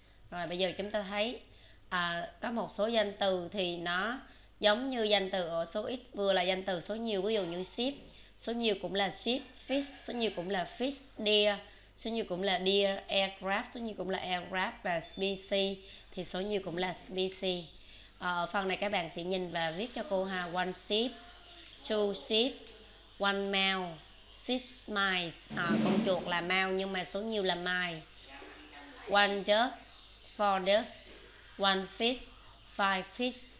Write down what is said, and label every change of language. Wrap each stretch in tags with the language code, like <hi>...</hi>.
<vi>Rồi bây giờ chúng ta thấy có một số danh từ thì nó giống như danh từ ở số ít, vừa là danh từ số nhiều. Ví dụ như ship, số nhiều cũng là ship. Fish, số nhiều cũng là fish. Deer, số nhiều cũng là deer. Aircraft, số nhiều cũng là aircraft. Và species, thì số nhiều cũng là species. Ở phần này các bạn sẽ nhìn và viết cho cô ha.</vi> <en>One sheep, two sheep, one mouse, six mice.</en> <vi>Con chuột là mouse nhưng mà số nhiều là mice.</vi> <en>One duck, four ducks, one fish, five fish.</en>